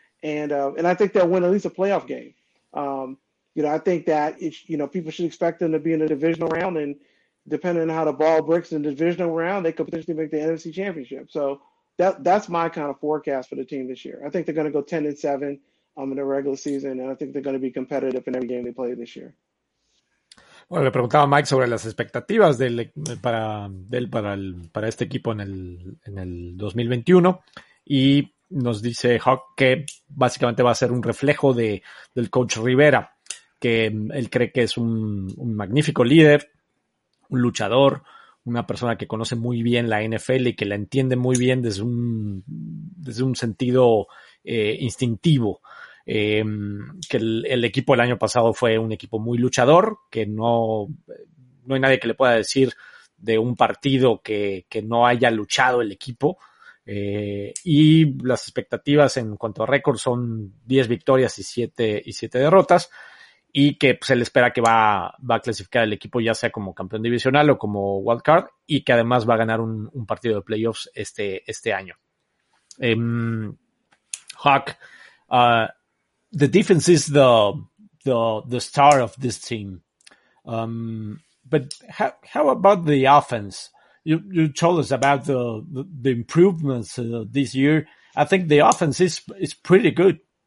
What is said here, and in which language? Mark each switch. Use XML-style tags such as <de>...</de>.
<en>And I think they'll win at least a playoff game. I think that, people should expect them to be in a divisional round, and depending on how the ball breaks in the divisional round, they could potentially make the NFC championship. So that's my kind of forecast for the team this year. I think they're going to go 10-7 in the regular season. And I think they're going to be competitive in every game they play this year.</en> <es>Bueno, le preguntaba a Mike sobre las expectativas para este equipo en el 2021 y nos dice Hawk que básicamente va a ser un reflejo del coach Rivera, que él cree que es un magnífico líder, un luchador, una persona que conoce muy bien la NFL y que la entiende muy bien desde un sentido instintivo. Que el equipo el año pasado fue un equipo muy luchador, que no hay nadie que le pueda decir de un partido que no haya luchado el equipo, y las expectativas en cuanto a récord son 10 victorias y 7 derrotas, y que pues, se le espera que va a clasificar el equipo ya sea como campeón divisional o como wild card, y que además va a ganar un partido de playoffs este año.</es> <en>Hawk, the defense is the star of this team, but how about the offense? You told us about the improvements this year. I think the offense is pretty good.</en>